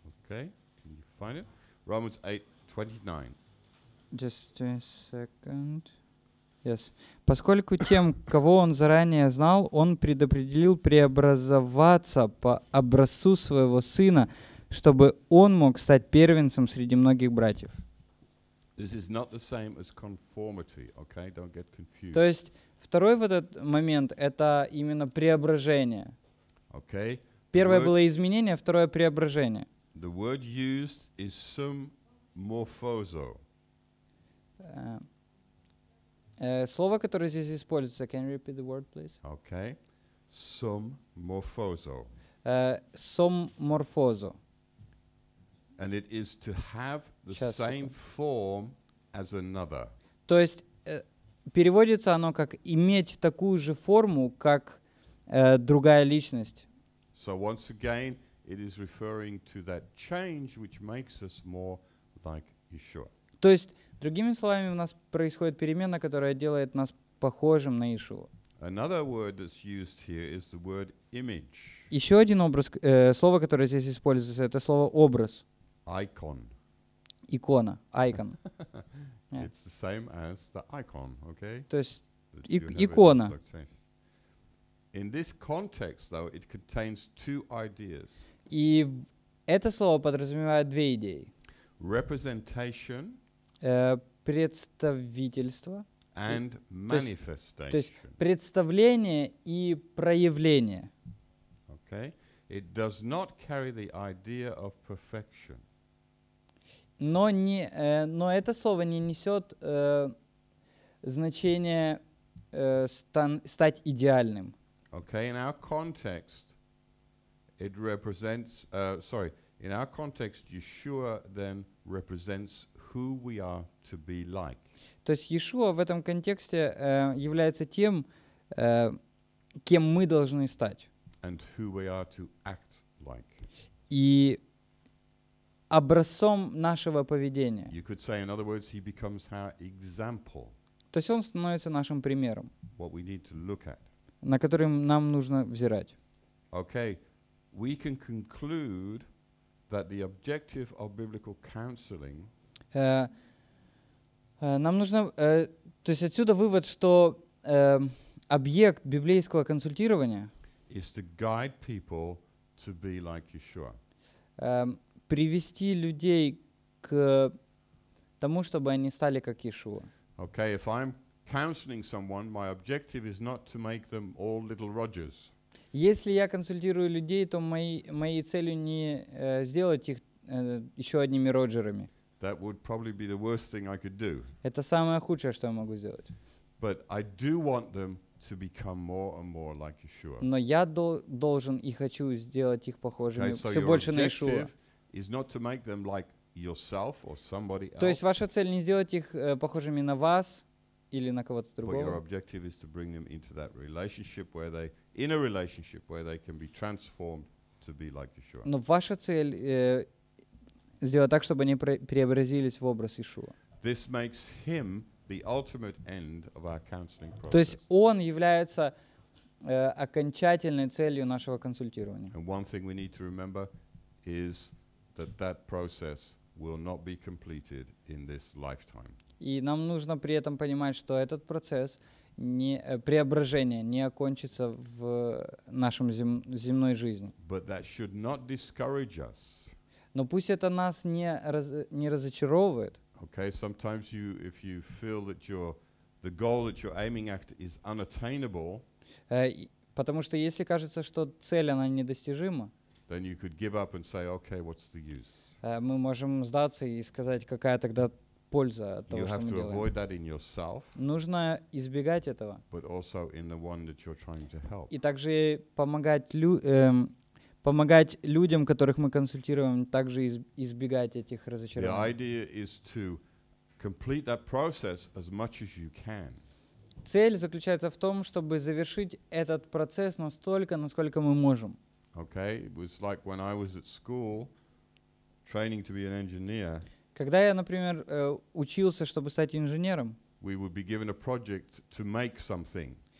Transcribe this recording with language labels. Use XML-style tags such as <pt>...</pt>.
<en>Okay, can you find it? Romans 8:29. Just a second. Yes.</en> <ru>Поскольку тем, кого он заранее знал, он предопределил преобразоваться по образцу своего сына, чтобы он мог стать первенцем среди многих братьев.</ru> <en>This is not the same as conformity, okay? Don't get confused.</en> <ru>То есть второй вот этот момент — это именно преображение.</ru> <en>Okay.</en> <ru>Первое было изменение, второе — преображение.</ru> <en>The word used is symmorphozo.</en> <ru>Слово, которое здесь используется,</ru> <en>can you repeat the word, please? Okay. Symmorphozo. Symmorphozo. And it is to have the same form as another.</en> <ru>То есть переводится оно как иметь такую же форму, как другая личность.</ru> <en>So once again, it is referring to that change which makes us more like Yeshua.</en> <ru>То есть, другими словами, у нас происходит перемена, которая делает нас похожим на Иешуа.</ru> <en>Another word that's used here is the word image.</en> <ru>Еще один образ, слово, которое здесь используется, это слово образ.</ru> <en>Icon.</en> <ru>Икона, icon.</ru> <en>Yeah. It's the same as the icon, okay?</en> <ru>То есть икона.</ru> <en>In this context, though, it contains two ideas.</en> <ru>И это слово подразумевает две идеи.</ru> <en>Representation.</en> <ru>Представительство.</ru> <en>And manifestation.</en> <ru>То есть представление и проявление.</ru> <en>Okay? It does not carry the idea of perfection.</en> <ru>Но это слово не несет значение стать идеальным.</ru> <en>Okay, in our context, it represents, sorry, In our context, Yeshua then represents who we are to be like.</en> <ru>То есть Иешуа в этом контексте является тем, кем мы должны стать.</ru> <en>And who we are to act like.</en> <ru>И образцом нашего поведения.</ru> <en>You could say, in other words, he becomes our example.</en> <ru>То есть он становится нашим примером,</ru> <en>what we need to look at.</en> <ru>На который нам нужно взирать.</ru> <en>Okay, we can conclude that the objective of biblical counseling.</en> <ru>Нам нужно, то есть отсюда вывод, что объект библейского консультирования</ru> <en>is to guide people to be like Yeshua.</en> <ru>Привести людей к тому, чтобы они стали как Иешуа.</ru> <en>Okay, if I'm counseling someone, my objective is not to make them all little Rogers.</en> <ru>Если я консультирую людей, то моей целью не сделать их еще одними Роджерами.</ru> <en>That would probably be the worst thing I could do.</en> <ru>Это самое худшее, что я могу сделать.</ru> <en>But I do want them to become more and more like Yeshua.</en> <ru>Но я должен и хочу сделать их похожими все больше на Иешуа.</ru> <en>Is not to make them like yourself or somebody else.</en> <ru>То есть ваша цель не сделать их похожими на вас или на кого-то другого.</ru> <en>But your objective is to bring them into that relationship where they in a relationship where they can be transformed to be like Yeshua.</en> <ru>Но ваша цель сделать так, чтобы они преобразились в образ Иешуа.</ru> <en>This makes him the ultimate end of our counseling process.</en> <ru>То есть он является окончательной целью нашего консультирования.</ru> <en>And one thing we need to remember is that process will not be completed in this lifetime.</en> <ru>И нам нужно при этом понимать, что этот процесс преображения не окончится в нашем земной жизни.</ru> <en>But that should not discourage us.</en> <ru>Но пусть это нас не разочаровывает.</ru> <en>Okay, sometimes you if you feel that the goal that you're aiming at is unattainable.</en> <ru>Потому что если кажется, что цель она недостижима,</ru> <en>then you could give up and say, okay, what's the use?</en> <ru>Мы можем сдаться и сказать, какая тогда польза от того,</ru> <en>you</en> <ru>что мы</ru> <en>to</en> <ru>делаем.</ru> <en>Avoid that in yourself,</en> <ru>нужно избегать этого.</ru> <en>But also in the one that you're trying to help.</en> <ru>И также помогать людям, которых мы консультируем, также избегать этих разочарований.</ru> <en>The idea is to complete that process as much as you can.</en> <ru>Цель заключается в том, чтобы завершить этот процесс настолько, насколько мы можем.</ru> <en>Okay, it was like when I was at school training to be an engineer.</en> <ru>Когда я, например, учился, чтобы стать инженером,</ru> <en>we would be given a project to make something.</en>